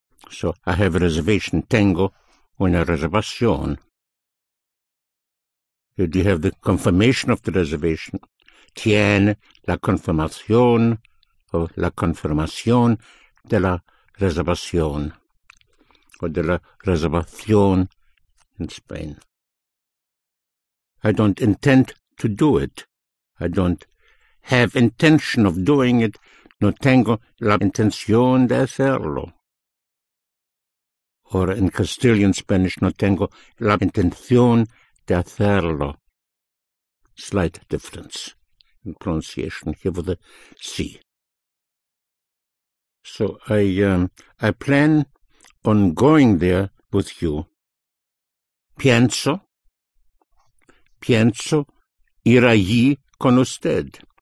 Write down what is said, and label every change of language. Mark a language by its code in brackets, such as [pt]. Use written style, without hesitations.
[en] So, I have a reservation, [es] tengo una reservación. [en] Do you have the confirmation of the reservation? [es] Tiene la confirmación, o la confirmación de la reservación, o de la reservación [en] in Spain. I don't intend to do it. I don't have intention of doing it. [es] No tengo la intención de hacerlo. [en] Or in Castilian Spanish, [es] no tengo la intención de hacerlo. [en] Slight difference in pronunciation here with the C. So I plan on going there with you. [es] Pienso ir allí con usted.